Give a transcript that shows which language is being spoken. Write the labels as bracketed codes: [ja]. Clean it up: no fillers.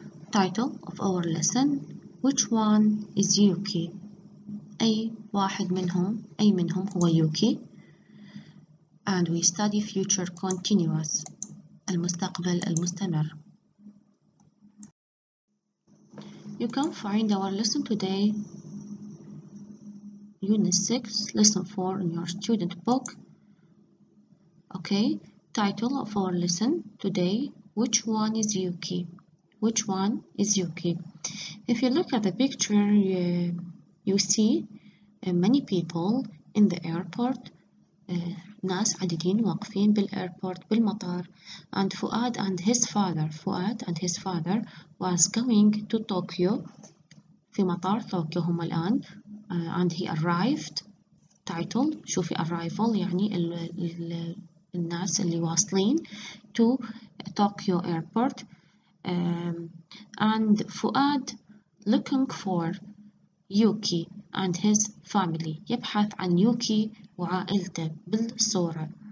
[en] Title of our lesson: Which one is Yuki? [ar] أي واحد منهم؟ أي منهم هو يوكي؟ [en] And we study future continuous. [ar] المستقبل المستمر. [en] You can find our lesson today, Unit 6, Lesson 4, in your student book. Okay, title of our lesson today, which one is Yuki? Which one is Yuki? If you look at the picture, you see many people in the airport. [ar] ناس عديدين واقفين بالايربورت بالمطار. [en] And Fuad and his father. Fuad and his father was going to Tokyo. [ar] في مطار طوكيو هم الآن. [en] And he arrived. [ar] Title, شوفي arrival يعني الناس اللي واصلين [en] to Tokyo Airport. And Fuad looking for Yuki and his family. [ar] يبحث عن يوكي وعائلته بالصورة.